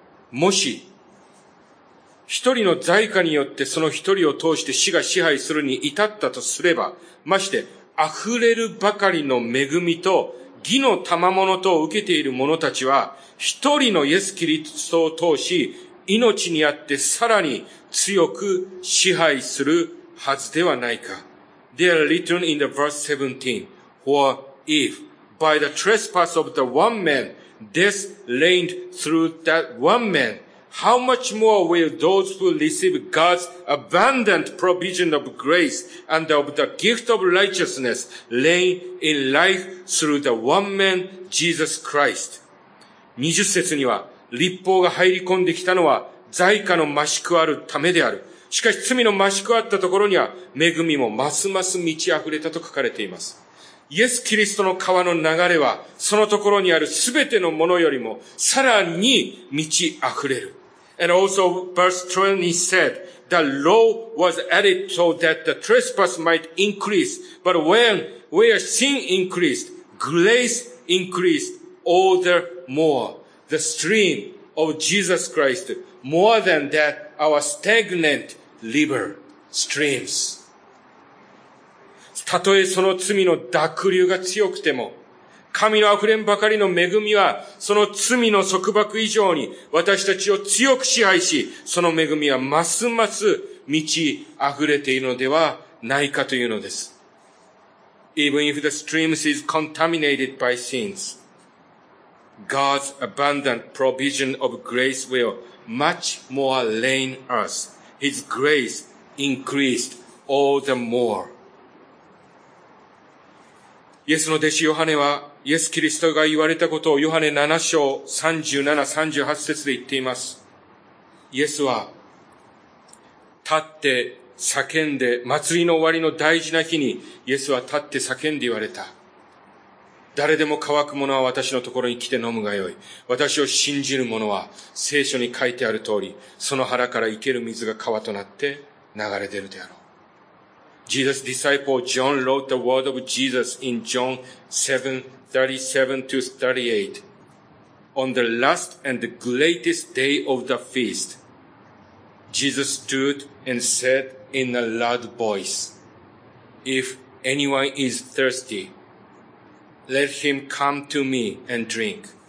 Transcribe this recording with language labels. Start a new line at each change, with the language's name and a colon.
Japanese: もし一人の罪過によってその一人を通して死が支配するに至ったとすれば、まして溢れるばかりの恵みと義の賜物とを受けている者たちは、一人のイエス・キリストを通し命にあってさらに強く支配するはずではないか。
English: They are written in the verse 17 For ifBy the trespass of the one man, death reigned through that one man. How much more will those who receive God's abundant provision of grace and of the gift of righteousness reign in life through the one man, Jesus Christ?
Japanese: 20節には、律法が入り込んできたのは罪過の増し加わるためである。しかし罪の増し加わったところには、恵みもますます満ち溢れたと書かれています。イエス・キリストの川の流れは、そのところにあるすべてのものよりも、さらに満ち溢れる。
English: And also verse 20 said, the law was added so that the trespass might increase. But when, where sin increased, grace increased all the more. The stream of Jesus Christ, more than that, our stagnant river streams.
Japanese: たとえその罪の濁流が強くても、神のあふれんばかりの恵みは、その罪の束縛以上に私たちを強く支配し、その恵みはますます満ち溢れているのではないかというのです。
English: Even if the streams is contaminated by sins, God's abundant provision of grace will much more rain us. His grace increased all the more.
Japanese: イエスの弟子ヨハネはイエス・キリストが言われたことをヨハネ7章37、38節で言っています。イエスは立って叫んで、祭りの終わりの大事な日にイエスは立って叫んで言われた。誰でも乾くものは私のところに来て飲むがよい。私を信じるものは聖書に書いてある通り、その腹から生ける水が川となって流れ出るであろう。
English: Jesus' disciple John wrote the word of Jesus in John 7:37-38. On the last and the greatest day of the feast, Jesus stood and said in a loud voice, "If anyone is thirsty, let him come to me and drink.